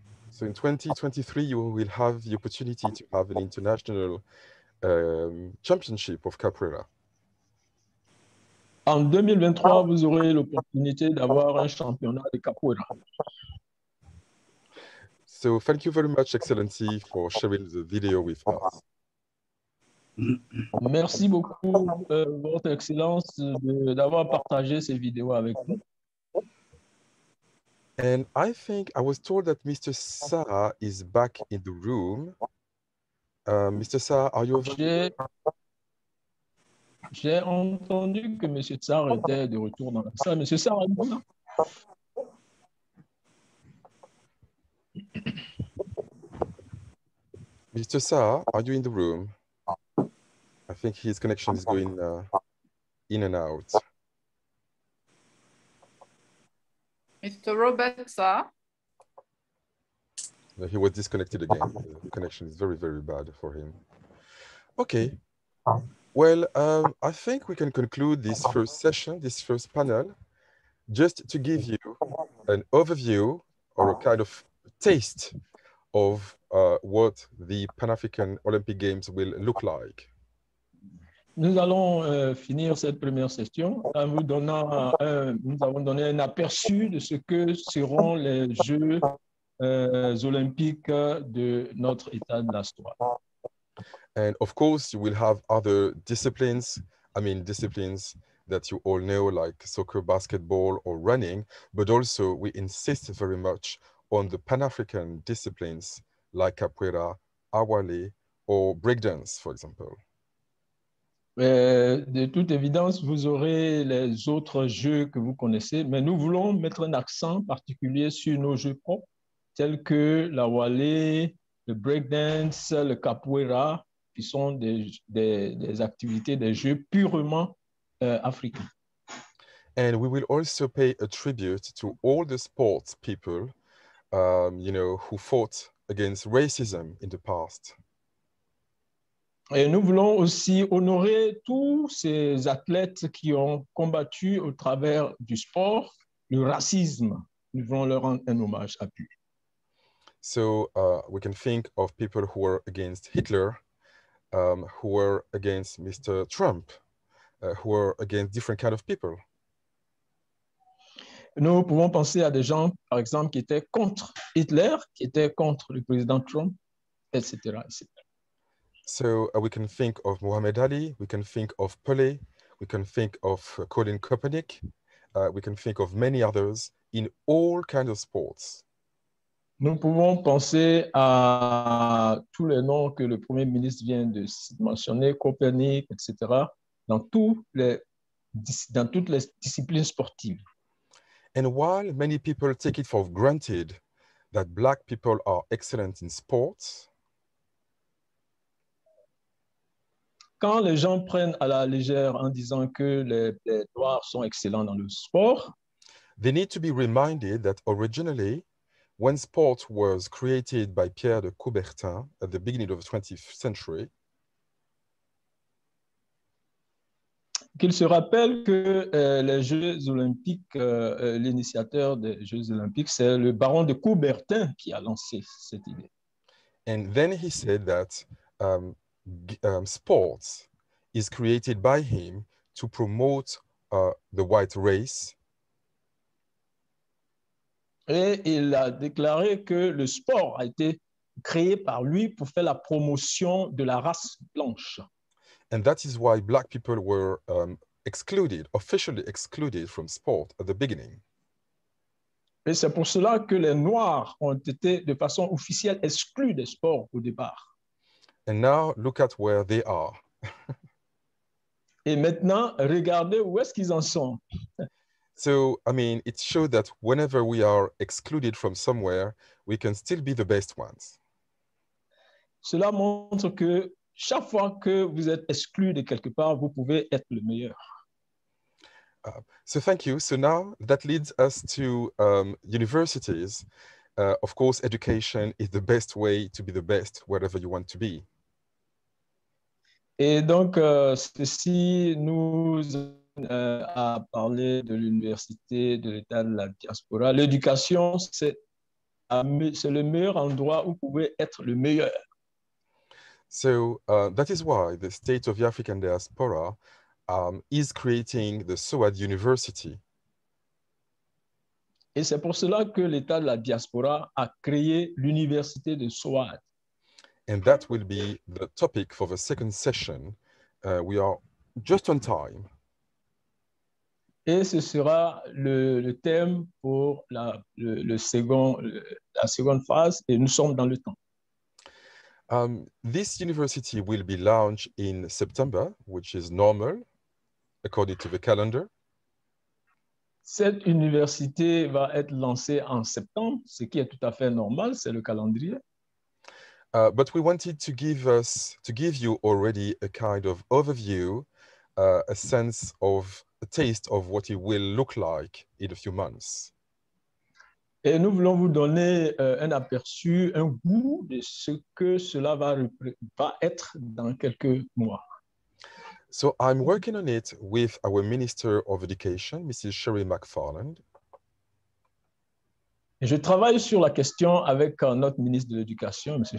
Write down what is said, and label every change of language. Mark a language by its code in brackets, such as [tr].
[en] So in 2023, you will have the opportunity to have an international championship of Capoeira. [fr] En 2023, vous aurez l'opportunité d'avoir un championnat de Capoeira. [en] So thank you very much, Excellency, for sharing the video with us. [fr] Merci beaucoup, Votre Excellence, d'avoir partagé ces vidéos avec nous. [en] And I think I was told that Mr. Sa is back in the room. Mr. Sa, are you over? [fr] J'ai entendu que Monsieur Tsar était de retour dans la salle. Monsieur Tsar, bonjour. [en] Mr. Tsar, are you in the room? I think his connection is going in and out. Mr. Robert Tsar? No, he was disconnected again. The connection is very, very bad for him. Okay. Well, I think we can conclude this first session, this first panel, just to give you an overview or a kind of taste of what the Pan-African Olympic Games will look like. [fr] Nous allons finir cette première session en vous donnant nous avons donné un aperçu de ce que seront les Jeux olympiques de notre état de l'histoire. [en] And of course, you will have other disciplines, I mean disciplines that you all know, like soccer, basketball, or running, but also we insist very much on the Pan-African disciplines like capoeira, awale, or breakdance, for example. [fr] De toute évidence, vous aurez les autres jeux que vous connaissez, mais nous voulons mettre un accent particulier sur nos jeux propres, tels que l'awale, le breakdance, le capoeira, qui sont des activités, des jeux purement africains. [en] And we will also pay a tribute to all the sports people, you know, who fought against racism in the past. [fr] Et nous voulons aussi honorer tous ces athlètes qui ont combattu au travers du sport le racisme. Nous voulons leur rendre un hommage appuyé. [en] So we can think of people who were against Hitler, who were against Mr. Trump, who were against different kind of people. [fr] Nous pouvons penser à des gens, par exemple, qui étaient contre Hitler, qui étaient contre le président Trump, etc., etc. [en] So we can think of Muhammad Ali, we can think of Pelé, we can think of Colin Kaepernick, we can think of many others in all kinds of sports. [fr] Nous pouvons penser à tous les noms que le Premier ministre vient de mentionner, Kaepernick, etc., dans toutes les disciplines sportives. [en] And while many people take it for granted that Black people are excellent in sports, [fr] quand les gens prennent à la légère en disant que les Noirs sont excellents dans le sport, [en] they need to be reminded that originally, when sport was created by Pierre de Coubertin at the beginning of the 20th century, [fr] qu'il se rappelle que les Jeux Olympiques, l'initiateur des Jeux Olympiques, c'est le baron de Coubertin qui a lancé cette idée. [en] And then he said that sports is created by him to promote the white race. [fr] Et il a déclaré que le sport a été créée par lui pour faire la promotion de la race blanche. [en] And that is why black people were excluded, officially excluded from sport at the beginning. [fr] Et c'est pour cela que les Noirs ont été de façon officielle exclus des sports au départ. [en] And now, look at where they are. [fr] Et maintenant, regardez où est-ce qu'ils en sont. [en] So, I mean, it shows that whenever we are excluded from somewhere, we can still be the best ones. [fr] Cela montre que chaque fois que vous êtes exclu de quelque part, vous pouvez être le meilleur. [en] So thank you. So now that leads us to universities. Of course, education is the best way to be the best wherever you want to be. [fr] Et donc, ceci nous a parlé de l'université, de l'état de la diaspora. L'éducation, c'est le meilleur endroit où vous pouvez être le meilleur. [en] So that is why the state of the African diaspora is creating the SOAD University. [fr] Et c'est pour cela que l'état de la diaspora a créé l'université de SOAD. [en] And that will be the topic for the second session. We are just on time. [fr] Et ce sera le thème pour la seconde phase et nous sommes dans le temps. [en] This university will be launched in September, which is normal. According to the calendar, [fr] cette université va être lancée en septembre, ce qui est tout à fait normal, c'est le calendrier. [en] But we wanted to give you already a kind of overview, a sense of a taste of what it will look like in a few months. [fr] Et nous voulons vous donner un aperçu, un goût de ce que cela va être dans quelques mois. [en] So I'm working on it with our Minister of Education, Mrs. Sherry MacFarland. [fr] Je travaille sur la question avec notre ministre de l'Éducation, Mrs.